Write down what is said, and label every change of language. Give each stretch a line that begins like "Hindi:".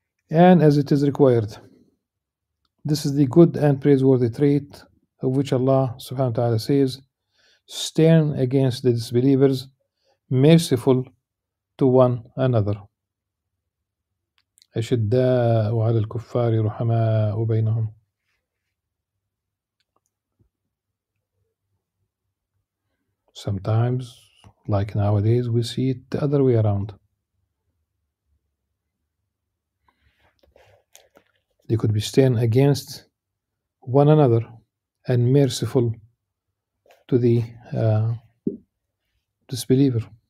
English: And as it is required, this is the good and praiseworthy trait of which Allah subhanahu wa ta'ala says, stern against the disbelievers, merciful to one another.
Arabic: أشداءُ على الكفار رحماء بينهم.
English: Sometimes, like nowadays, we see it the other way around. They could be stern against one another and merciful to the disbeliever.